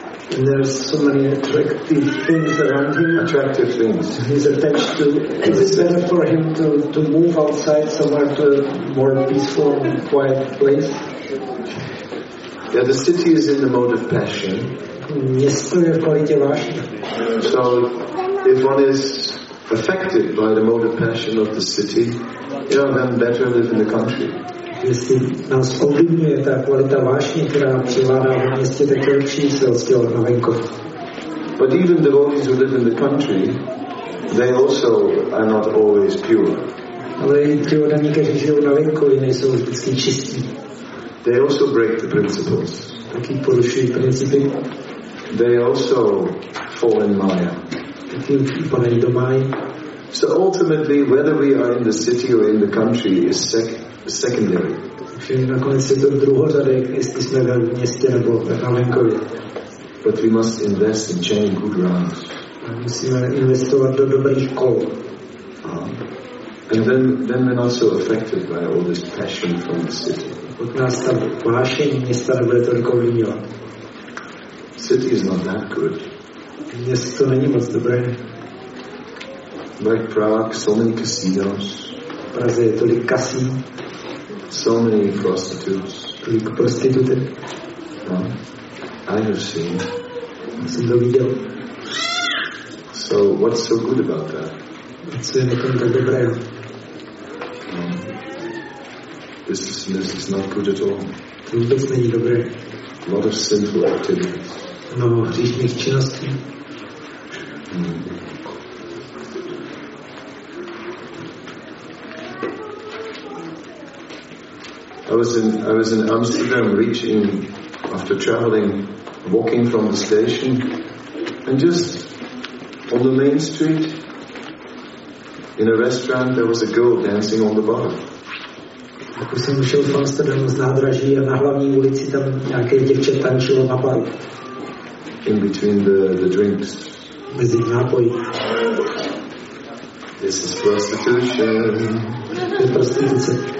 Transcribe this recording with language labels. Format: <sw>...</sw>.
<en>And there's so many attractive things around him. Attractive things. He's attached to. It is better for him to move outside somewhere to a more peaceful and quiet place. Yeah, the city is in the mode of passion.</en> <cs>Město je v kvalitě vášně.</cs> <en>So, if one is affected by the mode of passion of the city, you know, then better live in the country.</en> <cs>Jestli nás ovlivňuje ta kvalita vášně, která přivádá v městě, tak je lepší se odstěhovat na venkov.</cs> <en>But even the devotees who live in the country, they also are not always pure.</en> <cs>Ale i ti odaní, kteří žijou na venkově, nejsou vždycky čistí.</cs> <en>They also break the principles.</en> <cs>Taky porušují principy.</cs> <en>They also fall in Maya.</en> <cs>Taky upadají do Maya.</cs> <en>So ultimately, whether we are in the city or in the country is secondary.</en> <cs>Nakonec je to druhořadé, jestli jsme ve městě nebo na venkově.</cs> <en>But we must invest in chain good runs.</en> <cs>Musíme investovat do dobrých kol.</cs> <en>And then we're not so affected by all this passion from the city.</en> <cs>Od nás ta vášeň města nebude tolik ovlivňovat.</cs> <en>City is not that good.</en> <cs>Město není moc dobré.</cs> <en>Like Prague, so many casinos.</en> <cs>V Praze je tolik kasín.</cs> <en>So many prostitutes.</en> <cs>Tolik prostitutek.</cs> <en>I have seen.</en> <cs>Já jsem to viděl.</cs> <en>So what's so good about that?</en> <cs>Co je nekom tak dobré?</cs> <en>This is not good at all.</en> <cs>To vůbec není dobré.</cs> <en>A lot of sinful activities.</en> <cs>Mnoho hříšných činností.</cs> <en>I was in Amsterdam reaching after traveling, walking from the station, and just on the main street in a restaurant there was a girl dancing on the bar.</en> <cs>Tak už jsem šel v Amsterdamu z nádraží a na hlavní ulici tam nějaké děvče tančilo na baru.</cs> <en>In between the drinks.</en> <cs>Mezi nápoji.</cs> <en>This is prostitution.</en> <cs>To je prostituce.</cs>